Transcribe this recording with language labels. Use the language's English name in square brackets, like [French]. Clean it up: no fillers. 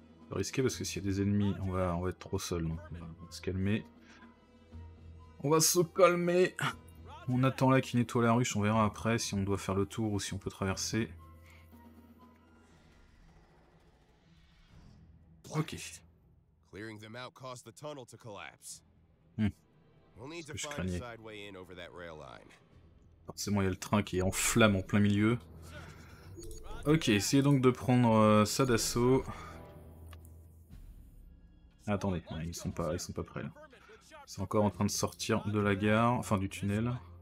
[French] Risqué parce que s'il y a des ennemis, on va être trop seul. Donc on va se calmer. On va se calmer. On attend là qu'il nettoie la ruche. On verra après si on doit faire le tour ou si on peut traverser. Ok. [English] Clearing them out caused the tunnel to collapse. We'll need to find a side way in over that rail line. [French] Forcément, il y a le train qui est en flamme en plein milieu. Ok, essayez donc de prendre ça d'assaut. Attendez, ouais, ils sont pas prêts là. Ils sont encore en train de sortir de la gare, enfin du tunnel.